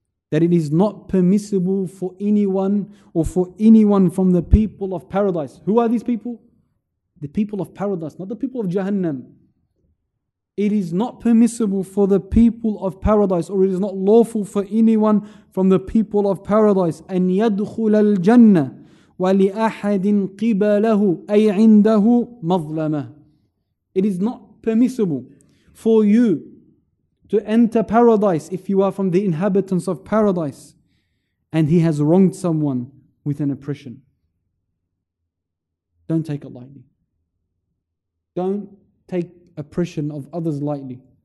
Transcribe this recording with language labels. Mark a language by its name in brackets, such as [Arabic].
[English] That it is not permissible for anyone or for anyone from the people of paradise. Who are these people? The people of paradise, not the people of Jahannam. It is not permissible for the people of paradise, or it is not lawful for anyone from the people of paradise. [Arabic] أن يدخل الجنة ولأحد قبله أي عنده مظلمة. [English] It is not permissible for you to enter paradise if you are from the inhabitants of paradise and he has wronged someone with an oppression. Don't take it lightly. Don't take oppression of others lightly.